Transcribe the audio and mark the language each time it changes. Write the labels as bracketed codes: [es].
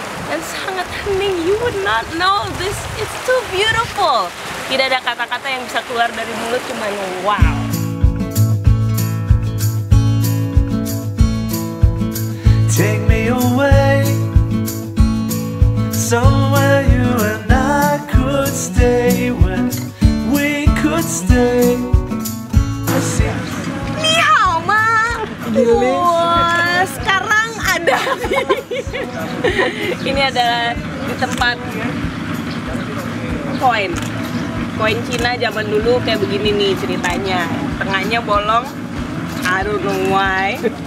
[id] Dan sangat hening, [en] you would not know this, it's too beautiful. [id] Tidak ada kata-kata yang bisa keluar dari mulut, cuman wow. [en] Take me away, somewhere you and I could stay, when we could stay. Miau, Ma! [id] Wah, sekarang ada ini adalah di tempat koin. Koin Cina zaman dulu kayak begini nih ceritanya. Tengahnya bolong, [en] I don't know why.